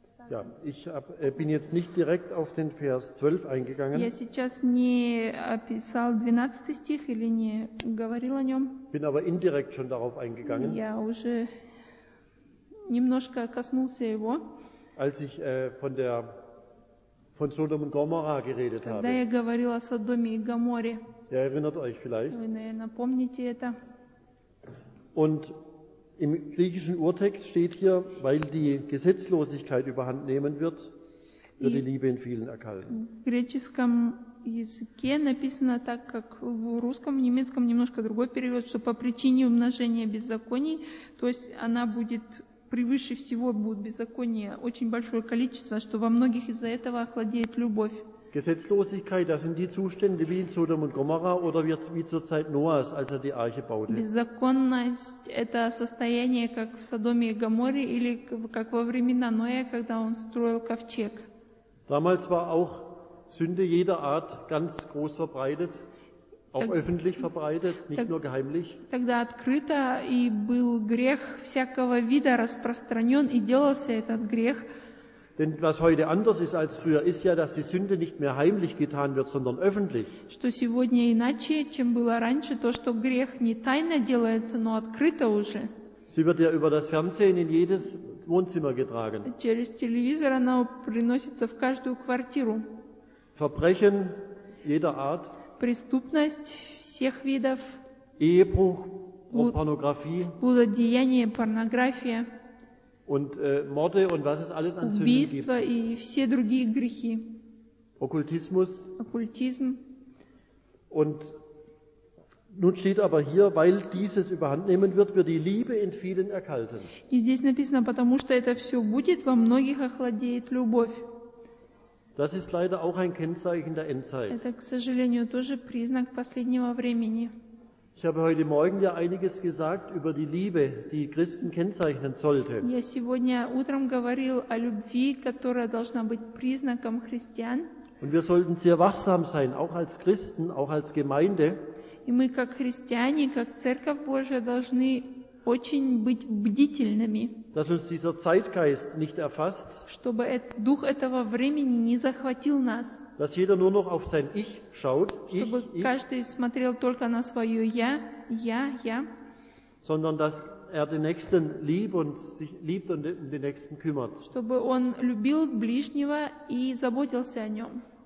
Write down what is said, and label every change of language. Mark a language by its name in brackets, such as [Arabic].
[German] Ja, ich bin jetzt nicht direkt auf den Vers 12 eingegangen. [Russian] Я сейчас не описал 12 стих или не говорил о нем. [German] Bin aber indirekt schon darauf eingegangen. [Russian] Я уже немножко коснулся его. [German] Als ich von Sodom und Gomorra geredet [Russian] Когда [German] habe. [Russian] Когда я говорил о Содоме и Гоморре. [German] Ihr erinnert euch vielleicht. [Russian] Вы, наверное, помните это. [German] Und im griechischen Urtext steht hier, weil die Gesetzlosigkeit überhand nehmen wird, wird die Liebe in vielen erkalten. [Russian] В греческом языке написано так, как в русском, немецком немножко другой перевод, что по причине умножения беззаконий, то есть она будет превыше всего будет беззаконие, очень большое количество, что во многих из-за этого охладеет любовь. [German] Gesetzlosigkeit, das sind die Zustände wie in Sodom und Gomorra oder wie zur Zeit Noahs, als die Arche baute. [Russian] Беззаконность – это состояние, как в Содоме и Гоморре или как во времена Ноя, когда он строил ковчег. [German] Damals war auch Sünde jeder Art ganz groß verbreitet, auch öffentlich verbreitet, nicht nur geheimlich. [Russian] Тогда открыто и был грех всякого вида распространен и делался этот грех. [German] Denn was heute anders ist als früher, ist ja, dass die Sünde nicht mehr heimlich getan wird, sondern öffentlich. [Russian] Что сегодня иначе, чем было раньше, то, что грех не тайно делается, но открыто уже. [German] Sie wird ja über das Fernsehen in jedes Wohnzimmer getragen. [Russian] Через телевизор она приносится в каждую квартиру. [German] Verbrechen jeder Art. [Russian] Преступность всех видов. [German] Ehebruch und Pornografie. [Russian] Блудодеяние, порнография. [German] Und Morde und was es alles an Sünden [Russian] Убийство [German] gibt. [Russian] И все другие грехи. Оккультизм. Оккультизм. [German] Und Nun steht aber hier, weil dieses überhandnehmen wird, wird die Liebe in vielen erkalten. [Russian] И здесь написано, потому что это все будет, во многих охладеет любовь. [German] Das ist leider auch ein Kennzeichen der Endzeit. [Russian] Это, к сожалению, тоже признак последнего времени. [German] Ich habe heute Morgen ja einiges gesagt über die Liebe, die Christen kennzeichnen sollte. [Russian] Я сегодня утром говорил о любви, которая должна быть признаком христиан. [German] Und wir sollten sehr wachsam sein, auch als Christen, auch als Gemeinde. [Russian] И мы как христиане, как Церковь Божия должны очень быть бдительными. [German] Dass uns dieser Zeitgeist nicht erfasst. [Russian] Чтобы дух этого времени не захватил нас. [German] Dass jeder nur noch auf sein Ich schaut. [Russian] Чтобы каждый смотрел только на свое Я, Я, Я. [German] Sondern dass er den Nächsten liebt und sich liebt und den Nächsten kümmert. [Russian] Чтобы он любил ближнего и заботился о нем.